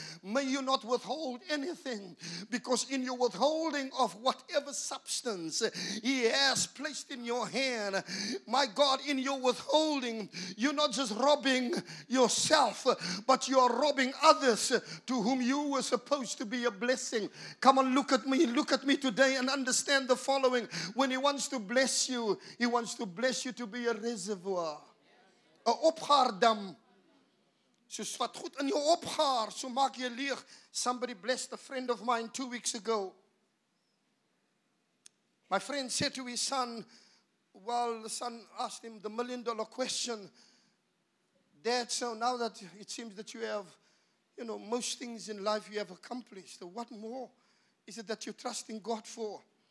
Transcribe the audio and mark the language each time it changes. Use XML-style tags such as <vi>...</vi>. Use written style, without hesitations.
<en>May you not withhold anything, because in your withholding of whatever substance he has placed in your hand, my God, in your withholding, you're not just robbing yourself, but you're robbing others to whom you were supposed to be a blessing. Come on, look at me today and understand the following. When he wants to bless you, he wants to bless you to be a reservoir.</en> <af>A opgaardam. Soos wat goed in jou opgaar, so maak jy leeg.</af> <en>Somebody blessed a friend of mine 2 weeks ago. My friend said to his son, while the son asked him the $1 million question, Dad, so now that it seems that you have, you know, most things in life you have accomplished, what more is it that you're trusting God for?</en>